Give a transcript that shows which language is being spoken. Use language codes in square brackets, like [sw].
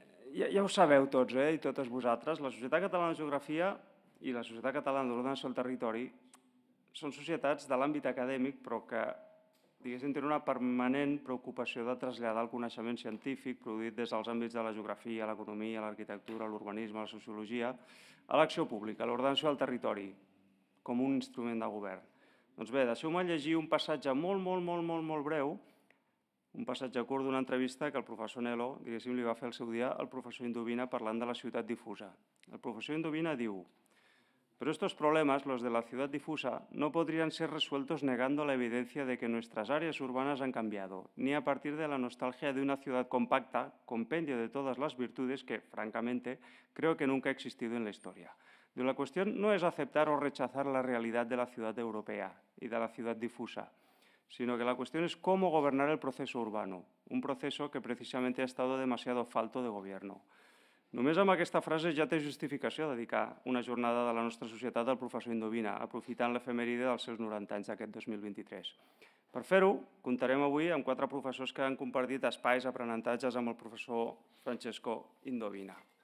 [ca] Ja ho sabeu tots, i totes vosaltres, la Societat Catalana de Geografia i la Societat Catalana d'Ordenació del Territori són societats de l'àmbit acadèmic, però que, diguéssim, tenen una permanent preocupació de traslladar el coneixement científic produït des dels àmbits de la geografia, l'economia, l'arquitectura, l'urbanisme, la sociologia, a l'acció pública, a l'ordenació del territori, com un instrument de govern. Doncs bé, deixeu-me llegir un passatge molt breu, un passatge curt d'una entrevista que el professor Nel·lo, diguéssim, li va fer el seu dia al professor Indovina parlant de la ciutat difusa. El professor Indovina diu: [es] "Pero estos problemas, los de la ciudad difusa, no podrían ser resueltos negando la evidencia de que nuestras áreas urbanas han cambiado, ni a partir de la nostalgia de una ciudad compacta, compendio de todas las virtudes que, francamente, creo que nunca ha existido en la historia. De la cuestión no es aceptar o rechazar la realidad de la ciudad europea y de la ciudad difusa, sino que la cuestión es cómo gobernar el proceso urbano, un proceso que precisamente ha estado demasiado falto de gobierno". [ca] Només amb aquesta frase ja té justificació dedicar una jornada de la nostra societat al professor Indovina, aprofitant l'efemèride dels seus 90 anys d'aquest 2023. Per fer-ho, comptarem avui amb quatre professors que han compartit espais, aprenentatges amb el professor Francesco Indovina.